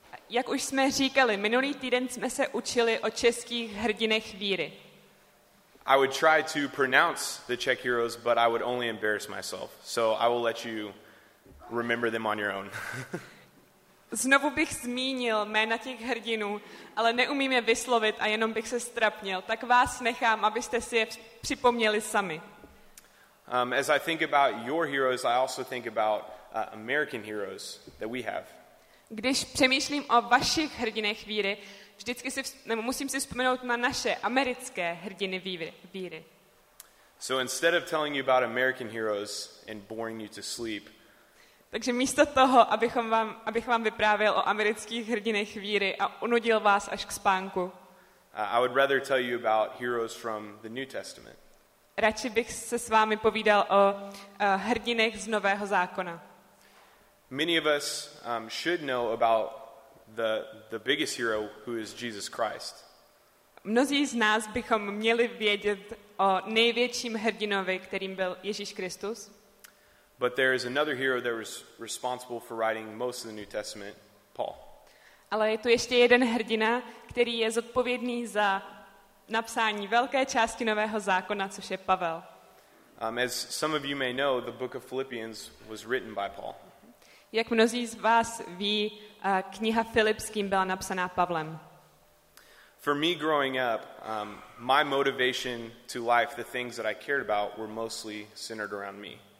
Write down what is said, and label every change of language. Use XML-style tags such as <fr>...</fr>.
<cs>Jak už jsme říkali, minulý týden jsme se učili o českých hrdinech víry.</cs> <en>I would try to pronounce the Czech heroes, but I would only embarrass myself. So I will let you remember them on your own.</en> <cs>Znovu bych zmínil jména těch hrdinů, ale neumím je vyslovit a jenom bych se ztrapnil. Tak vás nechám, abyste si je připomněli sami.</cs> <en>As I think about your heroes, I also think about American heroes that we have.</en> <cs>Když přemýšlím o vašich hrdinech víry, vždycky si musím si vzpomenout na naše americké hrdiny víry.</cs> <en>So instead of telling you about American heroes and boring you to sleep,</en> <cs>Takže místo toho, abych vám vyprávěl o amerických hrdinech víry a unudil vás až k spánku.</cs> <en>I would rather tell you about heroes from the New Testament.</en> <cs>Radši bych se s vámi povídal o hrdinech z Nového zákona.</cs> <en>Many of us should know about the biggest hero, who is Jesus Christ.</en> <cs>Mnozí z nás bychom měli vědět o největším hrdinovi, kterým byl Ježíš Kristus.</cs> <en>But there is another hero that was responsible for writing most of the New Testament, Paul.</en> <cs>Ale je tu ještě jeden hrdina, který je zodpovědný za napsání velké části Nového zákona, což je Pavel.</cs> <en>As some of you may know, the book of Philippians was written by Paul.</en> <cs>Jak mnozí z vás ví, kniha Filipským byla napsaná Pavlem.</cs> <en>For me growing up, my motivation to life, the things that I cared about, were mostly centered around me.</en>